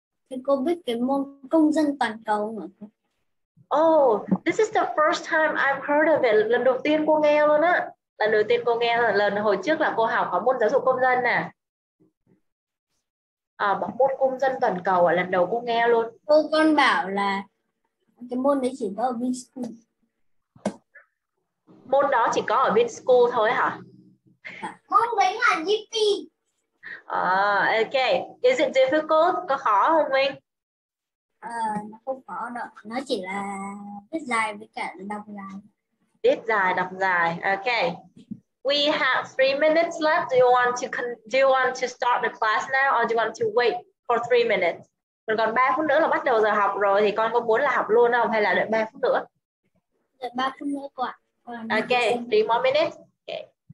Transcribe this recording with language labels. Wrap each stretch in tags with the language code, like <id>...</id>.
<vi>Thế cô biết cái môn công dân toàn cầu mà.</vi> <en>Oh, this is the first time I've heard of it.</en> <vi>Lần đầu tiên cô nghe luôn á. Lần đầu tiên cô nghe là lần hồi trước là cô học có môn giáo dục công dân nè. À, bằng môn công dân toàn cầu là lần đầu cô nghe luôn. Cô con bảo là cái môn đấy chỉ có ở bên school. Môn đó chỉ có ở bên school thôi hả? Môn đấy là GP. À, ok.</vi> <en>Is it difficult?</en> <vi>Có khó không mình? Nó không khó đâu. Nó chỉ là viết dài với cả đọc dài. Viết dài, đọc dài.</vi> <en>Ok. We have 3 minutes left. Do you want to start the class now or do you want to wait for 3 minutes?</en> <vi>Mình còn 3 phút nữa là bắt đầu giờ học rồi thì con có muốn là học luôn không hay là đợi 3 phút nữa? Đợi 3 phút nữa cô ạ.</vi> <en>Ok, 3 more minutes. Okay.</en>